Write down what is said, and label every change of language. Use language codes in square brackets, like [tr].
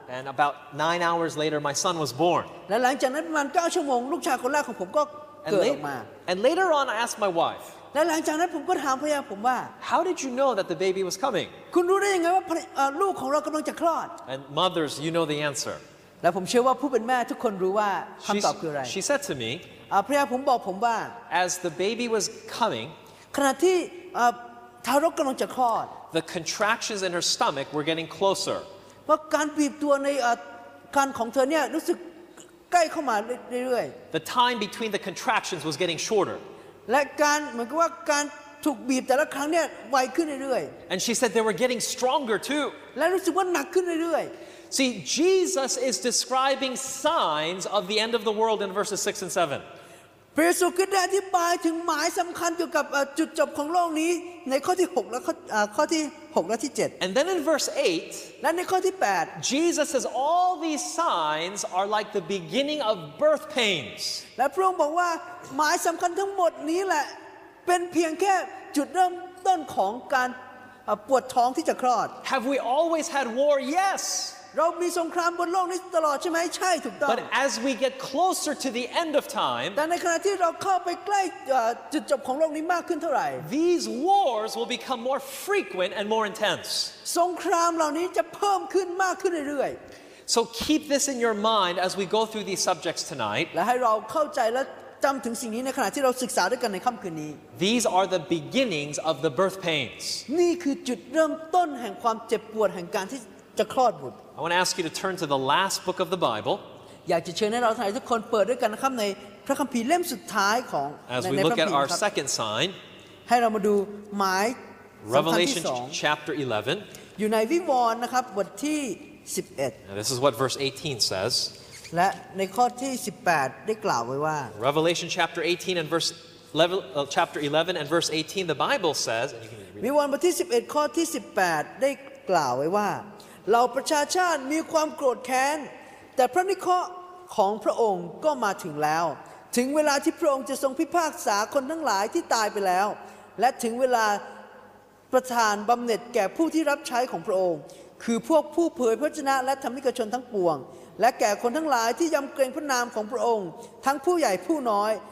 [en] And about 9 hours later, my son was born [th] และหลังจากนั้นประมาณ9ชั่วโมงลูกชายคนแรกของผมก็เกิดออกมา [en] And later on, I asked my wife. [th] และหลังจากนั้นผมก็ถามภรรยาผมว่า [en] How did you know that the baby was coming? [th] คุณรู้ได้ยังไงว่าลูกของเรากำลังจะคลอด [en] And mothers, you know the answer. [th] และผมเชื่อว่าผู้เป็นแม่ทุกคนรู้ว่าคำตอบคืออะไร [en] She said to me. [th] ภรรยาผมบอกผมว่า [en] As the baby was coming, [th] ขณะที่ทารกกำลังจะคลอด [en] The contractions in her stomach were getting closer. [th] เพราะการบีบตัวในครรภ์ของเธอเนี่ยรู้สึกใกล้เข้ามาเรื่อย [en] ๆ The time between the contractions was getting shorter. [th] และการเหมือนกับว่าการถูกบีบแต่ละครั้งเนี่ยไวขึ้นเรื่อย [en] ๆ And she said they were getting stronger too [th] และรู้สึกว่าหนักขึ้นเรื่อย [en] ๆ See Jesus is describing signs of the end of the world in verses 6 and 7 [th] พระเยซูคริสต์ได้อธิบายถึงหมายสำคัญเกี่ยวกับจุดจบของโลกนี้ในข้อที่6และข้อที่6และที่7 [en] And then in verse 8 [th] และในข้อที่8 [en] Jesus says all these signs are like the beginning of birth pains [th] และพระองค์บอกว่าหมายสำคัญทั้งหมดนี้แหละเป็นเพียงแค่จุดเริ่มต้นของการปวดท้องที่จะคลอด [en] Have we always had war? Yes. [th] เรามีสงครามบนโลกนี้ตลอดใช่ไหมใช่ถูกต้อง [en] But as we get closer to the end of time [th] แต่ในขณะที่เราเข้าไปใกล้จุดจบของโลกนี้มากขึ้นเท่าไหร่ [en] These wars will become more frequent and more intense [th] สงครามเหล่านี้จะเพิ่มขึ้นมากขึ้นเรื่อย [en] So keep this in your mind as we go through these subjects tonight [th] และให้เราเข้าใจและจำถึงสิ่งนี้ในขณะที่เราศึกษาด้วยกันในค่ำคืนนี้ [en] These are the beginnings of the birth pains [th] นี่คือจุดเริ่มต้นแห่งความเจ็บปวดแห่งการที่จะคลอดบุตร [en] I want to ask you to turn to the last book of the Bible. [th] อยากจะเชิญให้เราทุกคนเปิดด้วยกันนะครับในพระคัมภีร์เล่มสุดท้ายของในพระคั [en] มภีร์ As we look at our second sign. [th] ให้เรามาดูหมาย [en] Revelation chapter 11. [th] อยู่ในวิวรณ์นะครับบทที่11. [en] Now this is what verse 18 says. [th] และในข้อที่18ได้กล่าวไว้ว่า [en] Revelation chapter 18 and verse 11, chapter 11 and verse 18 the Bible says. [th] วิวรณ์บทที่11ข้อที่18ได้กล่าวไว้ว่าเราประชาชาติมีความโกรธแค้นแต่พระนิเคราะห์ของพระองค์ก็มาถึงแล้วถึงเวลาที่พระองค์จะทรงพิพากษาคนทั้งหลายที่ตายไปแล้วและถึงเวลาประทานบำเหน็จแก่ผู้ที่รับใช้ของพระองค์คือพวกผู้เผยพระชนะและธรรมิกชนทั้งปวงและแก่คนทั้งหลายที่ยำเกรงพระนามของพระองค์ทั้งผู้ใหญ่ผู้น้อย